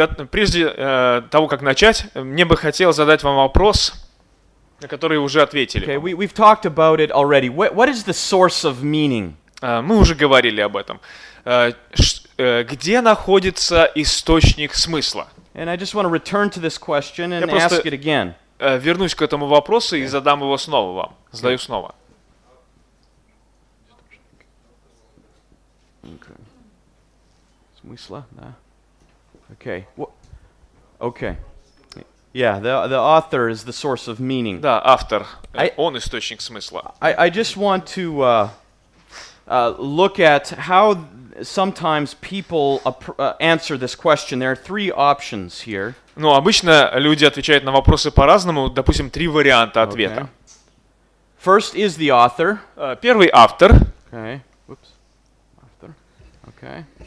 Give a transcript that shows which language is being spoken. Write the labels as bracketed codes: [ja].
[ru] Прежде того, как начать, мне бы хотел задать вам вопрос, на который уже ответили. [en] Okay, we've talked about it already. What is the source of meaning? [ru] Мы уже говорили об этом. Где находится источник смысла? [en] And I just want to return to this question and ask it again. [ru] вернусь к этому вопросу и задам его снова вам. Задаю снова. Смысла, да? Окей. Окей. [en] Yeah, the author is the source of meaning. [ru] Да, автор. Он источник смысла. [en] I just want to look at how sometimes people answer this question. There are three options here. [ru] Ну, обычно люди отвечают на вопросы по-разному. Допустим, три варианта ответа. [en] Okay. First is the author. [ru] Первый автор. [en] Okay. Whoops. Author. Okay.